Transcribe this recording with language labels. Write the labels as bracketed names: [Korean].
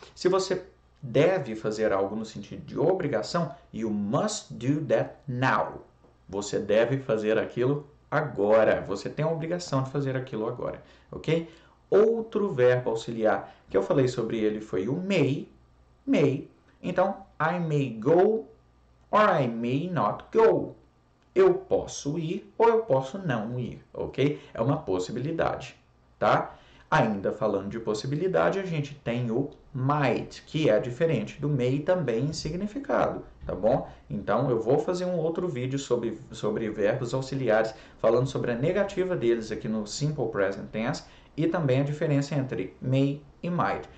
[Portuguese] Se você deve fazer algo no sentido de obrigação, [English] you must do that now. [Portuguese] Você deve fazer aquilo agora. Você tem a obrigação de fazer aquilo agora, ok? Outro verbo auxiliar que eu falei sobre ele foi o may. [English] May. Então, I may go or I may not go. [Portuguese] Eu posso ir ou eu posso não ir, ok? É uma possibilidade, tá? Ainda falando de possibilidade, a gente tem o might, que é diferente do may também em significado, tá bom? Então, eu vou fazer um outro vídeo sobre verbos auxiliares, falando sobre a negativa deles aqui no Simple Present Tense e também a diferença entre may e might.